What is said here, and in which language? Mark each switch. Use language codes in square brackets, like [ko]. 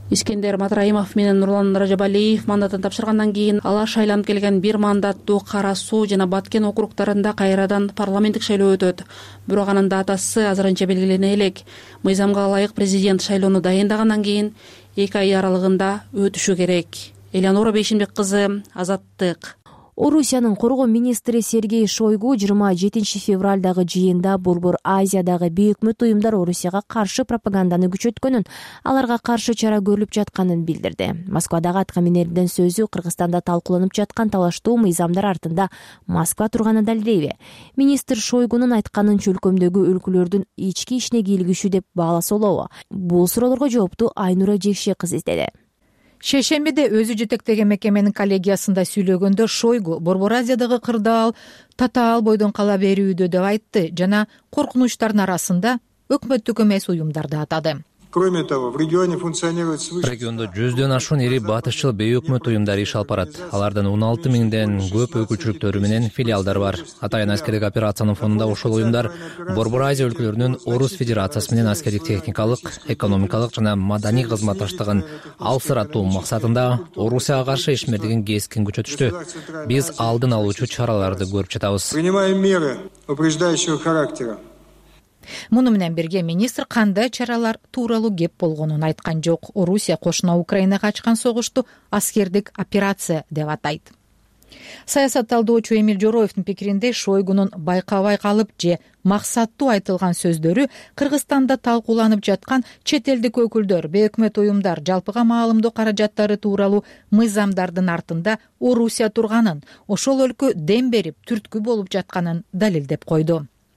[ky] Искендер Матраимов менен Нурлан Ражабалиев мандатын тапшыргандан кийин алар шайланып келген бир мандаттуу Кара Суу жана Баткен округдарында кайрадан парламенттик шайлоо өтөт. Бирок анын датасы азырынча белгилене элек. Мыйзамга ылайык президент шайлоону дайындагандан кийин 2 ай аралыгында өтүшү керек. Элеонора Бейшенбек кызы, Азаттык. Орусиянын коргоо министри Сергей Шойгу 27 февральдагы жыйында Борбор Азиядагы бейөкмөт уюмдар Орусияга каршы пропаганданы күчөткөнүн, аларга каршы чара көрүлүп жатканын билдирди. Москвадагы аткаминердин сөзү Кыргызстанда талкууланып жаткан талаштуу мыйзамдар артында Москва турганын далилдейби. Министр Шойгунун айтканын чөлкөмдөгү өлкөлөрдүн ички ишине кийлигиши деп бааласа болобу? Бул суроолорго жоопту Айнура Жекше кызы издеди. Шейшембиде өзү жетектеген мекеменин коллегиясында сүйлөгөндө Шойгу Борбор Азиядагы кырдаал татаал бойдон кала берүүдө деп айтты жана коркунучтардын арасында өкмөттүк эмес уюмдарды атады. [ru] Кроме того, в регионе функционирует свыше. [ky] Региондо 100-дөн ашуун ири батышчыл бей өкмөт уюмдары иш алып барат. Алардын 16,000-ден көп өкүлчүлүктөрү менен филиалдары бар. Атайын аскерлик операциянын фонунда ошол уюмдар Борбор Азия өлкөлөрүнүн Орус Федерациясы менен аскерлик техникалык, экономикалык жана маданий кызматташтыгын алсыратуу максатында Орусияга каршы ишмердигин кескин күчөтүштү. Биз алдын алуучу чараларды көрүп жатабыз. [ru] Принимаем меры упреждающего характера. [ky] Муну менен бирге министр кандай чаралар тууралуу кеп болгонун айткан жок. Орусия кошуна Украинага ачкан согушту аскердик операция деп атайт. Саясат талдоочу Эмиль Жороевдин пикиринде Шойгунун байкабай калып же максаттуу айтылган сөздөрү Кыргызстанда талкууланып жаткан чет элдик өкүлдөр, бейөкмөт уюмдар, жалпыга маалымдоо каражаттары тууралуу мыйзамдардын артында Орусия турганын, ошол өлкө дем берип түрткү болуп жатканын далилдеп койду.